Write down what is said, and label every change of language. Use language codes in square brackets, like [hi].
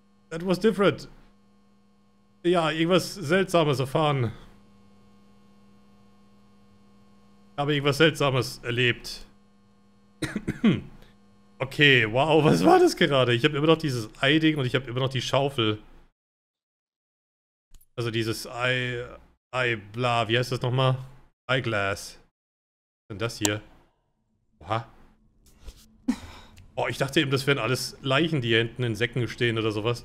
[en] That was different. [de] Ja, irgendwas Seltsames erfahren. Ich habe irgendwas Seltsames erlebt. Okay, wow, was war das gerade? Ich habe immer noch dieses Ei-Ding und ich habe immer noch die Schaufel. Also dieses Ei... Ei-Bla, wie heißt das nochmal? Eyeglass. Was ist denn das hier? Oha. Oh, ich dachte eben, das wären alles Leichen, die hier hinten in Säcken stehen oder sowas.